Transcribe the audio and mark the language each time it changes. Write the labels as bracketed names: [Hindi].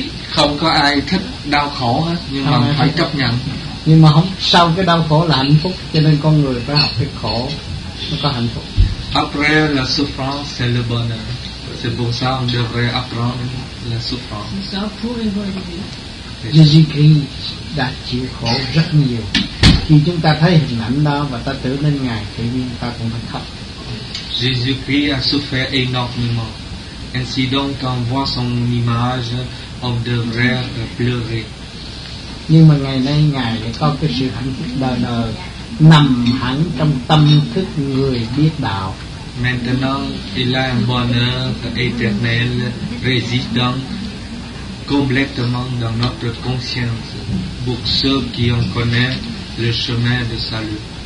[Vietnamese] Không có ai thích đau khổ hết, nhưng mà phải chấp nhận. Nhưng mà không, sau cái đau khổ là hạnh phúc, cho nên con người phải học cái khổ mới có hạnh phúc. [French] Après la souffrance, c'est le bonheur. C'est pour ça on devrait apprendre la souffrance. C'est ça pour évoluer. [Vietnamese] Jésus-Christ đã chịu khổ rất nhiều. Khi chúng ta thấy hình ảnh đó và ta tưởng đến Ngài, tự nhiên ta cũng phải khóc. [French] Jésus-Christ a souffert énormément. Ainsi donc, quand on voit son image, on devrait pleurer. [Vietnamese] Nhưng mà ngày nay Ngài có cái sự hạnh phúc đời đời nằm hẳn trong tâm thức người biết đạo. [French] Maintenant, il a un bonheur éternel résistant complètement dans notre conscience pour ceux qui en connaissent le chemin de salut.